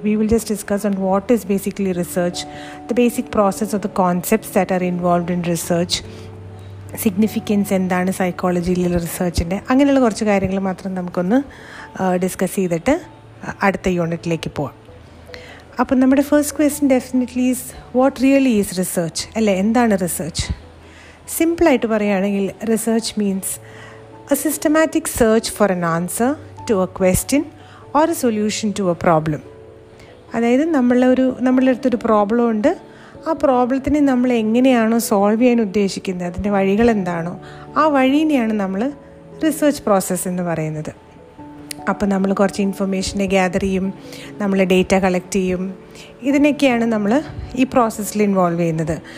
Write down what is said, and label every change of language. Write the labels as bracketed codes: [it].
[en] we will just discuss on what is basically research, the basic process of the concepts that are involved in research, significance [ml] എന്താണ് സൈക്കോളജിയിലുള്ള റിസർച്ചിൻ്റെ, അങ്ങനെയുള്ള കുറച്ച് കാര്യങ്ങൾ മാത്രം നമുക്കൊന്ന് discuss ചെയ്തിട്ട് അടുത്ത യൂണിറ്റിലേക്ക് പോവാം. അപ്പം നമ്മുടെ [en] First question definitely is what really is research, അല്ലേ? [ml] എന്താണ് റിസർച്ച്? സിമ്പിളായിട്ട് പറയുകയാണെങ്കിൽ [en] Research means a systematic search for an answer to a question or a solution to a problem. [ml] അതായത് നമ്മളടുത്തൊരു പ്രോബ്ലം ഉണ്ട്. ആ പ്രോബ്ലത്തിനെ നമ്മൾ എങ്ങനെയാണോ സോൾവ് ചെയ്യാൻ ഉദ്ദേശിക്കുന്നത്, അതിൻ്റെ വഴികൾ എന്താണോ, ആ വഴീനെയാണ് നമ്മൾ റിസർച്ച് പ്രോസസ്സ് എന്ന് പറയുന്നത്. അപ്പോൾ നമ്മൾ കുറച്ച് ഇൻഫർമേഷനെ ഗ്യാതർ ചെയ്യും, നമ്മൾ ഡേറ്റ കളക്ട് ചെയ്യും, ഇതിനൊക്കെയാണ് നമ്മൾ ഈ പ്രോസസ്സിൽ ഇൻവോൾവ് ചെയ്യുന്നത്.